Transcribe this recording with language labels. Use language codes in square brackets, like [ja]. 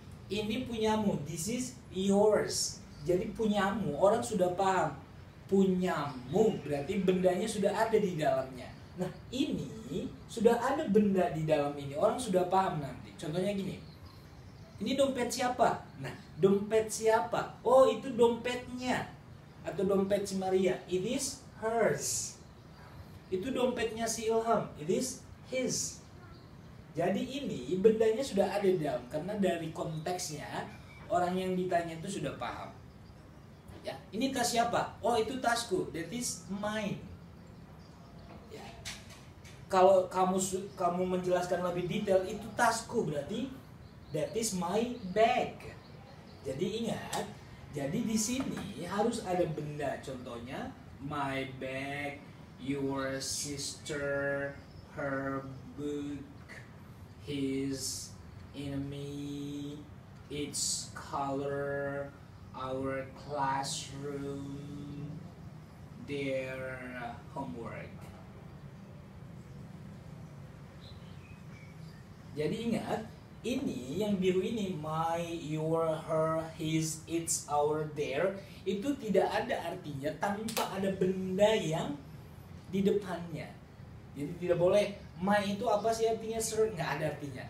[id] Ini punyamu, [en] this is yours. [id] Jadi punyamu, orang sudah paham. Punyamu, berarti bendanya sudah ada di dalamnya. Nah, ini sudah ada benda di dalam ini. Orang sudah paham nanti. Contohnya gini, ini dompet siapa? Nah, dompet siapa? Oh, itu dompetnya. Atau dompet si Maria, [en] it is hers. [id] Itu dompetnya si Ilham, [en] it is his. [id] Jadi ini bendanya sudah ada di dalam karena dari konteksnya orang yang ditanya itu sudah paham. Ya, ini tas siapa? Oh, itu tasku. [en] That is mine. [id] Ya. Kalau kamu menjelaskan lebih detail, itu tasku berarti [en] that is my bag. [id] Jadi ingat, jadi di sini harus ada benda. Contohnya [en] my bag, your sister, her book, his enemy, its color, our classroom, their homework. [id] Jadi ingat, ini yang biru ini, [en] my, your, her, his, its, our, their, [id] itu tidak ada artinya tanpa ada benda yang di depannya. Jadi tidak boleh, my itu apa sih artinya, sir? Nggak ada artinya.